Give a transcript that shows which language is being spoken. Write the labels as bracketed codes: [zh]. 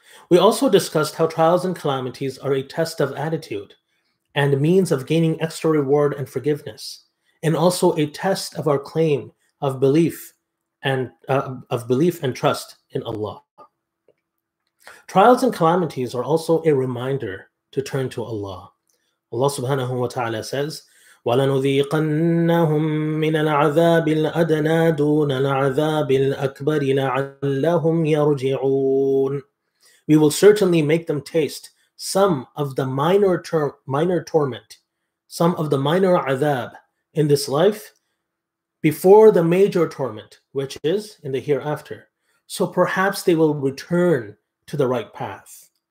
[en] We also discussed how trials and calamities are a test of attitude and means of gaining extra reward and forgiveness, and also a test of our claim of belief and trust in Allah. Trials and calamities are also a reminder to turn to Allah. [ar] Allah subhanahu wa ta'ala says, وَلَنُذِيقَنَّهُم مِّنَ الْعَذَابِ الْأَدْنَى دُونَ الْعَذَابِ الْأَكْبَرِ لَعَلَّهُمْ يَرْجِعُونَ. [en] We will certainly make them taste some of the minor torment, some of the minor azab in this life before the major torment, which is in the hereafter. So perhaps they will return to the right path.